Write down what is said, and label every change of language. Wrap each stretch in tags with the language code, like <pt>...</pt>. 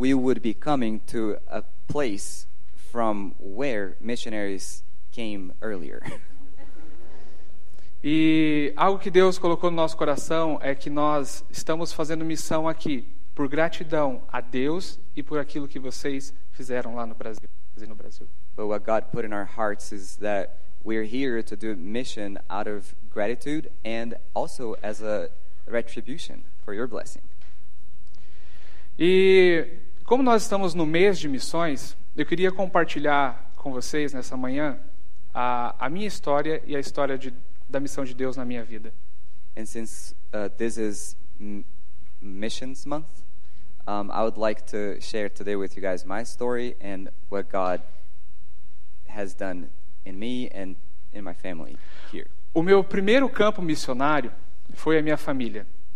<en>We would be coming to a place from where missionaries came earlier.</en> <pt>E algo que Deus colocou no nosso coração é que nós estamos fazendo missão aqui por gratidão a Deus e por aquilo que vocês fizeram lá no Brasil, fazendo no Brasil.</pt> <en>But what God put in our hearts is that we're here to do mission out of gratitude and also as a retribution for your blessing.</en> <pt>E como nós estamos no mês de missões, eu queria compartilhar com vocês nessa manhã a minha história e a história da missão de Deus na minha vida.</pt> <en>And since this is missions month, I would like to share today with you guys my story and what God has done in me and in my family here.</en> <pt>O meu primeiro campo missionário foi a minha família.</pt>